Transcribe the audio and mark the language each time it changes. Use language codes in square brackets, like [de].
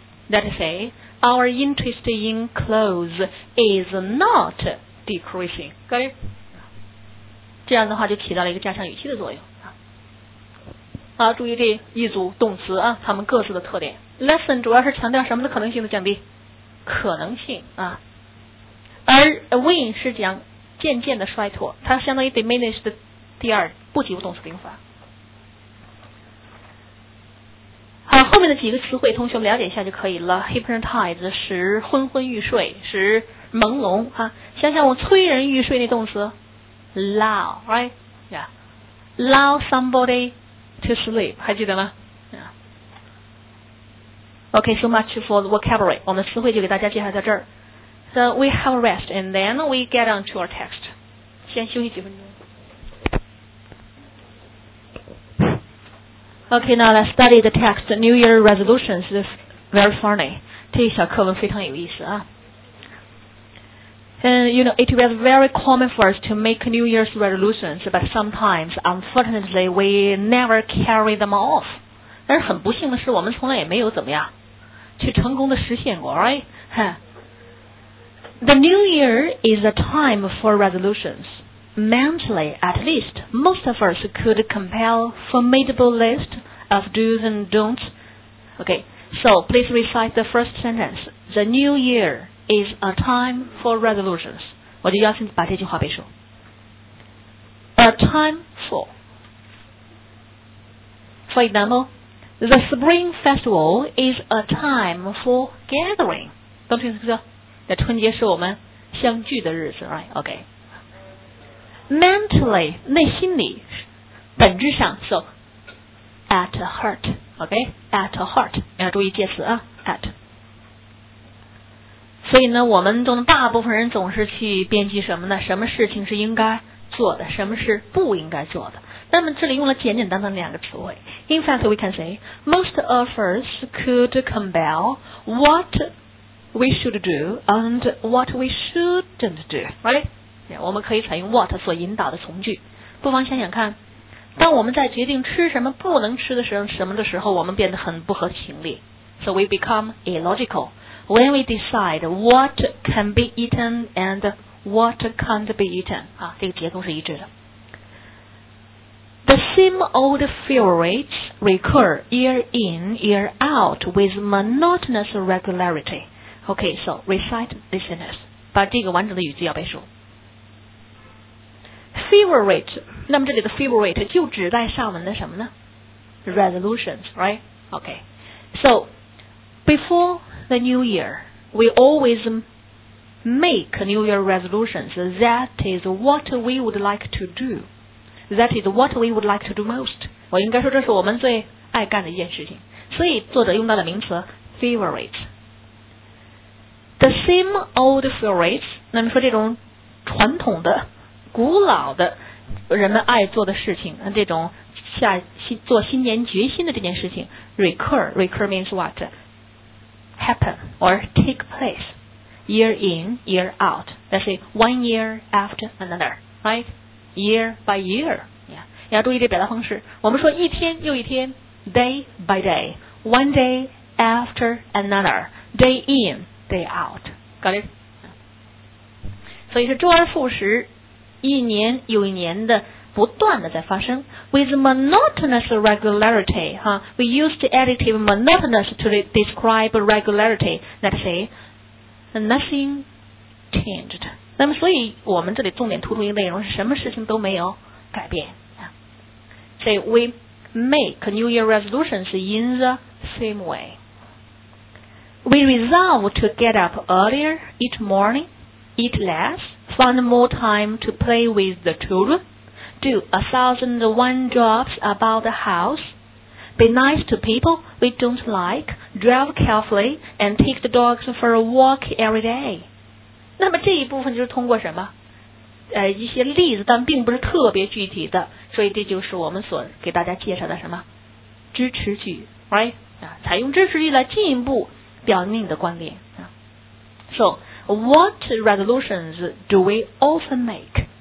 [en] That is, our interest in clothes is not decreasing. Got it? [zh] 这样的话就起到了一个加强语气的作用。好，注意这一组动词啊，它们各自的特点。 Lesson 主要是强调什么的可能性的降低？可能性啊。而 win 是讲渐渐的衰退，它相当于 diminish 的第二不及物动词的用法。好，后面的几个词汇同学们了解一下就可以了。 Hypnotize 使昏昏欲睡，使朦胧啊。想想我催人欲睡那动词 ，lull， right？ [en] Yeah， lull somebody to sleep， [zh] 还记得吗？ [en] Yeah。 Okay， so much for the vocabulary， [zh] 我们词汇就给大家介绍在这儿。 [en] So we have a rest and then we get on to our text。 [zh] 先休息几分钟。 [en] Okay, now let's study the text. New Year resolutions is very funny. [zh] 这一小课文非常有意思啊。 [en] And you know, it was very common for us to make New Year's resolutions, but sometimes, unfortunately, we never carry them off. [zh] 但是很不幸的是，我们从来也没有怎么样去成功的实现过 ，right? [en] The New Year is a time for resolutions. Mentally, at least, most of us could compile formidable list of do's and don'ts. Okay, so please recite the first sentence. The new year is a time for resolutions. [zh] 我就邀请把这句话背熟。 [en] A time for. For example, the spring festival is a time for gathering. [zh] 懂听懂这个？春节是我们相聚的日子 ，right? Okay. [en] Mentally, [zh] 内心里，本质上 [en] ，so at heart, okay, at heart, [zh] 要注意介词啊 [en] ，at。 [zh] 所以呢，我们中的大部分人总是去编辑什么呢？什么事情是应该做的，什么是不应该做的？那么这里用了简简单单的两个词汇。 [en] In fact, we can say most of us could compile what we should do and what we shouldn't do, right? [zh] 我们可以采用 what 所引导的从句，不妨想想看，当我们在决定吃什么不能吃的时候，什么的时候，我们变得很不合情理。 [en] So we become illogical when we decide what can be eaten and what can't be eaten. [zh] 啊，这个结构是一致的。 [en] The same old favorites recur year in year out with monotonous regularity. Okay, so recite this sentence. [zh] 把这个完整的语句要背熟。 Favorite， 那么这里的 favorite 就指代上文的什么呢 ？Resolutions， right？ [en] Okay， so before the new year， we always make new year resolutions. That is what we would like to do. That is what we would like to do most. [zh] 我应该说这是我们最爱干的一件事情。所以作者用到的名词 favorite， [en] the same old favorites， [zh] 那么说这种传统的。古老的人们爱做的事情，这种下做新年决心的这件事情 [en] recur means what happen or take place year in year out. That's it, one year after another, right? Year by year. Yeah, [zh] 要注意这表达方式。我们说一天又一天， [en] day by day, one day after another, day in day out. Got it? [zh] 所以是周而复始。一年又一年的不断的在发生 ， [en] with monotonous regularity， 哈、，we use the adjective monotonous to describe regularity. That say nothing changed. [zh] 那么，所以我们这里重点突出一个内容是什么事情都没有改变。 [en] 所以 we make New Year resolutions in the same way. We resolve to get up earlier each morning, eat less. Find more time to play with the children, do 1,001 jobs about the house, be nice to people we don't like, drive carefully, and take the dogs for a walk every day. [zh] 那么这一部分就是通过什么？一些例子，但并不是特别具体的，所以这就是我们所给大家介绍的什么支持句 ，right？采用支持句来进一步表明你的观点啊。 [en] So. What resolutions do we often make?